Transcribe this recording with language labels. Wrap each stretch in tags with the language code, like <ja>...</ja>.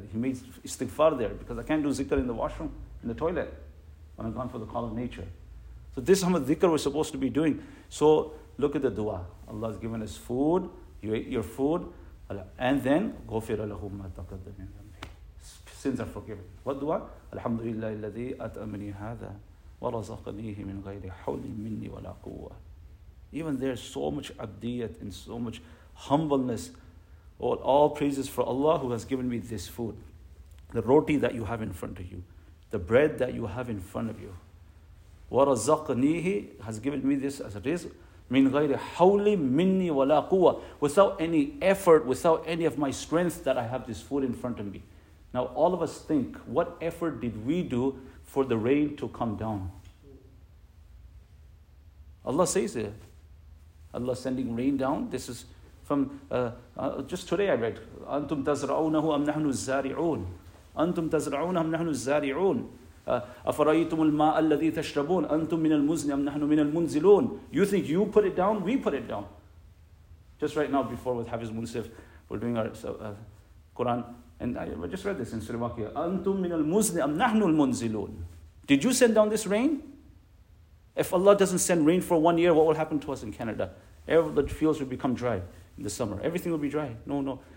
<en>He made istighfar there, because I can't do zikr in the washroom, in the toilet, when I've gone for the call of nature. So this is how much zikr we're supposed to be doing. So look at the dua. Allah's given us food, you ate your food, and then</en> <ar>غفر لهم ما تقدم من ذنبي.</ar> <en>Sins are forgiven. What dua? Alhamdulillah</en> <ar>الذي أتمني هذا ورزقنيه من غير حول مني ولا قوة.</ar> <en>Even there's so much abdiyat and so much humbleness. All praises for Allah who has given me this food. the roti that you have in front of you, the bread that you have in front of you.</en> <ar>وَرَزَقْنِيهِ</ar> <en>has given me this as it is.</en> <ar>مِنْ غَيْرِ حَوْلِ مِنِّي وَلَا قُوَّةٍ</ar> <en>without any effort, without any of my strength that I have this food in front of me. Now all of us think, what effort did we do for the rain to come down? Allah says it. Allah sending rain down. This is from just today I read.</en> <ar>أَنْتُمْ تَزْرَعُونَهُ أَمْ نَحْنُ الزَّارِعُونَ أَنْتُمْ تَزْرَعُونَهُ أَمْ نَحْنُ الزَّارِعُونَ أَفَرَأَيْتُمُ الْمَاءَ الَّذِي تَشْرَبُونَ أَنْتُمْ مِنَ الْمُزْنِ أَمْ نَحْنُ مِنَ الْمُنْزِلُونَ</ar> <en>You think you put it down? We put it down. Just right now before with Hafiz Munsif, we're doing our Quran. And I just read this in Surah Waqia.</en> <ar>أَنْتُمْ مِنَ الْمُزْنِ أَمْ نَحْنُ الْمُنْزِلُونَ</ar> <en>Did you send down this rain? If Allah doesn't send rain for 1 year, what will happen to us in Canada? The fields will become dry in the summer. Everything will be dry. No.</en>